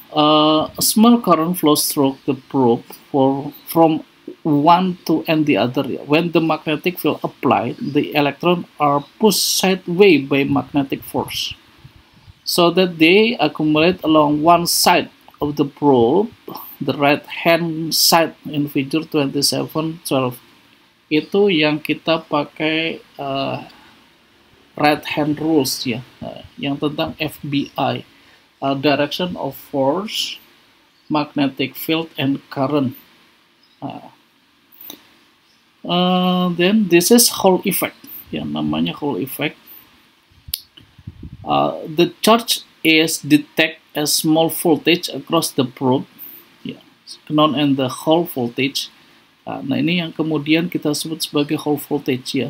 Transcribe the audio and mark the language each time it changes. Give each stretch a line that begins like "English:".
English: A small current flows through the probe from one to and the other. When the magnetic field applied, the electrons are pushed sideways by magnetic force, so that they accumulate along one side of the probe, the right hand side in figure 27.12.
Indonesian: Itu yang kita pakai right hand rules ya, yang tentang FBI.
English: Direction of force, magnetic field, and current. Then this is Hall effect. Yeah, namanya Hall effect. The charge is detect a small voltage across the probe. Yeah, known as the Hall voltage.
Indonesian: Nah ini yang kemudian kita sebut sebagai Hall voltage ya.